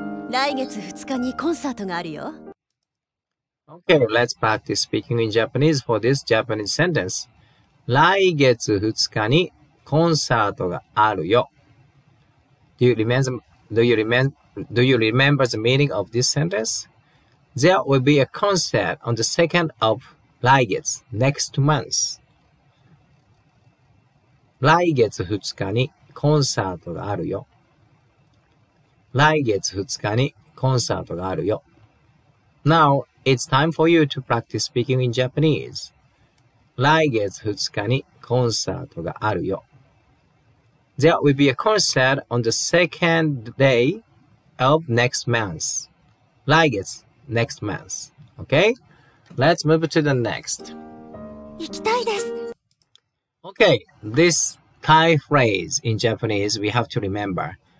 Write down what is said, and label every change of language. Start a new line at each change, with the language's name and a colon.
Japanese: 来月2日にコンサートがあるよ。
English: Okay, let's practice speaking in Japanese for this Japanese sentence.
Japanese: 来月2日にコンサートがあるよ。
English: Do you remember the meaning of this sentence? There will be a concert on the 2nd of 来月, next month.
Japanese: 来月2日にコンサートがあるよ。来月2日にコンサートがあるよ。
English: Now, it's time for you to practice speaking in Japanese.
Japanese: 来月2日にコンサートがあるよ。
English: There will be a concert on the second day of next month. 来月 next month. Okay? Let's move to the next.
Japanese: 行きたいです。
English: Okay, this Thai phrase in Japanese we have to remember.